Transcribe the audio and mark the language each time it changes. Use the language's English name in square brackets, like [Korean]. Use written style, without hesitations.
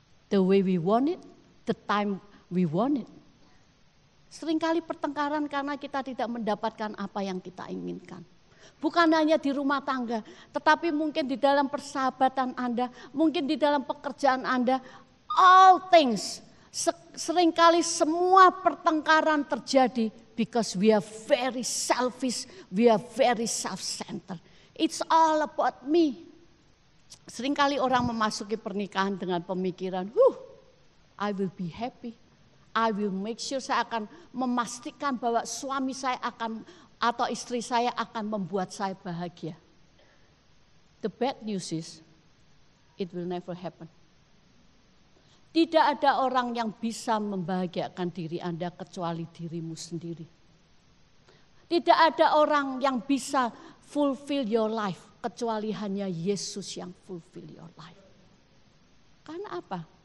[English] The way we want it, the time we want it. [Indonesian] Seringkali pertengkaran karena kita tidak mendapatkan apa yang kita inginkan. Bukan hanya di rumah tangga, tetapi mungkin di dalam persahabatan Anda, mungkin di dalam pekerjaan Anda, [English] all things. [Indonesian] Seringkali semua pertengkaran terjadi [English] because we are very selfish, we are very self-centered. It's all about me. [Indonesian] Seringkali orang memasuki pernikahan dengan pemikiran, [English] I will be happy, I will make sure, [Indonesian] saya akan memastikan bahwa suami saya akan atau istri saya akan membuat saya bahagia. [English] The bad news is, it will never happen. [Indonesian] Tidak ada orang yang bisa membahagiakan diri Anda kecuali dirimu sendiri. Tidak ada orang yang bisa [English] fulfill your life [Indonesian] kecuali hanya Yesus yang fulfill your life. Karena apa?